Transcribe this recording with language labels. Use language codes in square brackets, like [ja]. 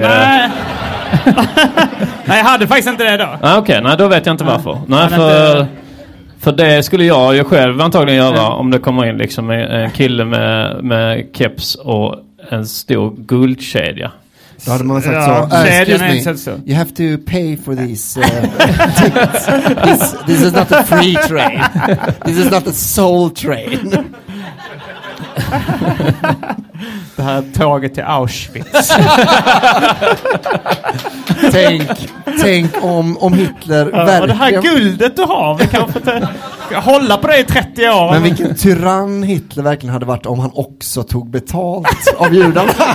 [sv] Nej. Nej, jag hade faktiskt inte det då. Okej, okay, nej, då vet jag inte varför. Nej, för det skulle jag själv antagligen göra om det kommer in liksom en kille med keps och en stor guldkedja. Då hade man sagt så. [en] You have to pay for these this is not a free train. This is not a soul train. [sv] Det här tåget till Auschwitz. Tänk om Hitler verkligen... Det här guldet du har, vi kan hålla på det i 30 år. Men vilken tyrann Hitler verkligen hade varit om han också tog betalt av judarna.